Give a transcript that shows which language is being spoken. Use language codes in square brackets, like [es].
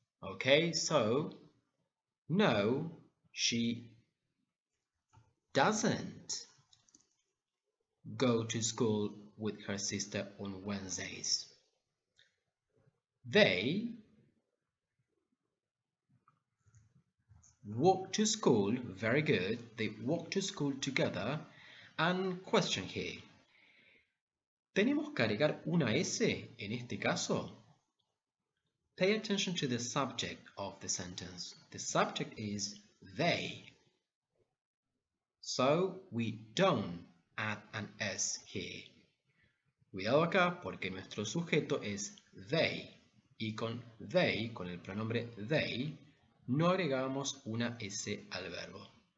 [en] Okay, so, no, she doesn't go to school with her sister on Wednesdays. They walk to school, very good, they walk to school together. And question here. [es] ¿Tenemos que agregar una S en este caso? [en] Pay attention to the subject of the sentence. The subject is they. So we don't add an S here. [es] Cuidado acá porque nuestro sujeto es they. Y con they, con el pronombre they, no agregamos una S al verbo.